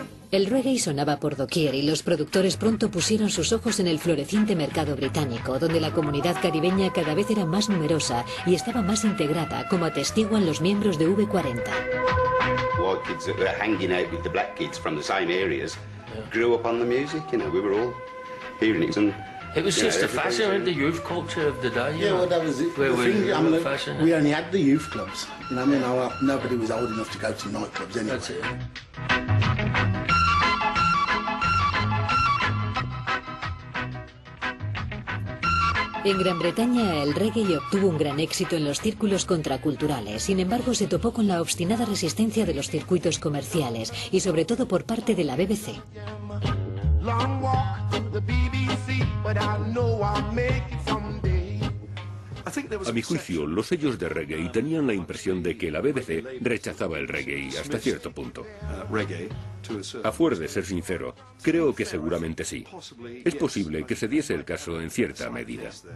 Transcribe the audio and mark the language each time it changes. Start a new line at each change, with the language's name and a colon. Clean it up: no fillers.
Spanish: El reggae sonaba por doquier y los productores pronto pusieron sus ojos en el floreciente mercado británico, donde la comunidad caribeña cada vez era más numerosa y estaba más integrada, como atestiguan los miembros de V40.
English: White kids that were hanging out with the black kids from the same areas grew up on the music, you know, we were all hearing it. It was just a fascinating, the youth culture of the day. Yeah, well, that was it. We only had the youth clubs. And I mean, nobody was old enough to go to nightclubs anyway. That's it.
Spanish: En Gran Bretaña, el reggae obtuvo un gran éxito en los círculos contraculturales. Sin embargo, se topó con la obstinada resistencia de los circuitos comerciales y sobre todo por parte de la BBC.
English: Long walk to the BBC, but I know I'll make it someday.
Spanish: A mi juicio, los sellos de reggae tenían la impresión de que la BBC rechazaba el reggae hasta cierto punto. A fuerza de ser sincero, creo que seguramente sí. Es posible que se diese el caso en cierta medida.